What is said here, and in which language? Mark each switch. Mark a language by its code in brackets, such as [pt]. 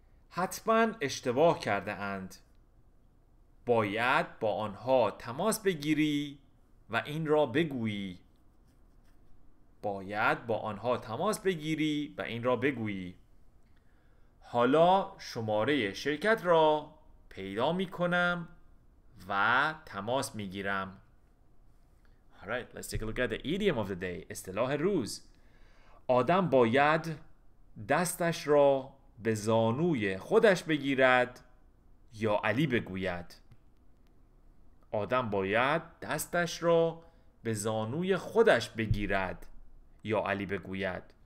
[fa] حتما اشتباه کرده اند. باید با آنها تماس بگیری و این را بگویی. باید با آنها تماس بگیری و این را بگویی. حالا شماره شرکت را پیدا می کنم و تماس می گیرم. [en] Alright, let's take a look at the idiom of the day. [fa] اصطلاح روز. آدم باید دستش را به زانوی خودش بگیرد یا علی بگوید. آدم باید دستش را به زانوی خودش بگیرد یا علی بگوید.